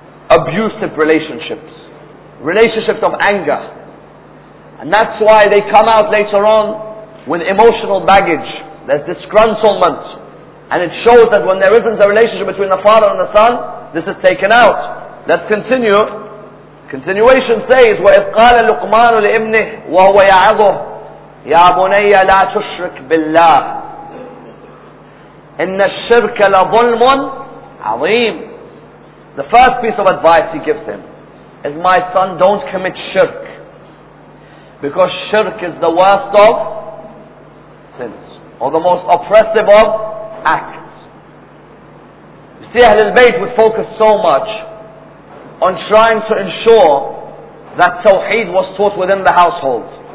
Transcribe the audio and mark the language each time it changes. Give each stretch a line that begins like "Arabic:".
English: Abusive relationships. Relationships of anger. And that's why they come out later on with emotional baggage. There's disgruntlement. And it shows that when there isn't a relationship between the father and the son, this is taken out. Let's continue. Continuation says,
Arabic: وَإِذْقَالَ لُقْمَانُ لِإِبْنِهِ وَهُوَ يَعَظُهُ يَا بُنَيَّ لَا تُشْرِكْ بِاللَّهِ إِنَّ الشِّرْكَ لَظُلْمٌ عَظِيمٌ.
English: The first piece of advice he gives him is, my son, don't commit shirk. Because shirk is the worst of sins. Or the most oppressive of acts. See, Ahlul Bayt would focus so much on trying to ensure that Tawheed was taught within the household.